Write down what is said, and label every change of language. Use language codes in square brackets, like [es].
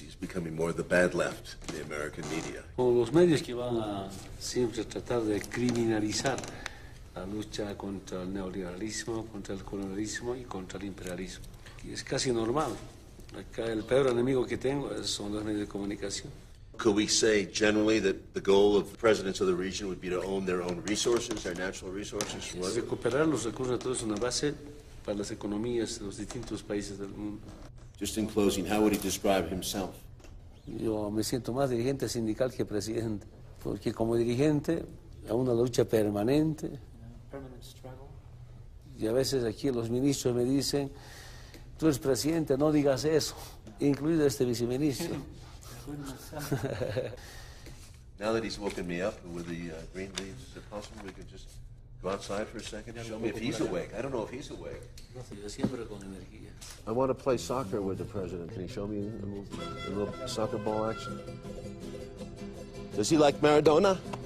[en] He's becoming more the bad left in the American media. [es] O los medios que van a siempre tratar de criminalizar la lucha contra el neoliberalismo, contra el colonialismo y contra el imperialismo. Y es casi normal. Acá el peor enemigo que tengo son los medios de comunicación. [en] Could we say generally that the goal of the presidents of the region would be to own their own resources, their natural resources? [es] Es recuperar los recursos naturales es una base para las economías de los distintos países del mundo. [en] Just in closing, how would he describe himself? [es] Yo me siento más dirigente sindical que presidente, porque como dirigente hay una lucha permanente. [en] Permanent struggle. [es] Y a veces aquí los ministros me dicen, tú eres presidente, no digas eso, incluido este viceministro. [en] Now that he's woken me up with the green leaves, is it possible we could just go outside for a second and show me if he's awake? I don't know if he's awake. I want to play soccer with the president. Can he show me a little soccer ball action? Does he like Maradona?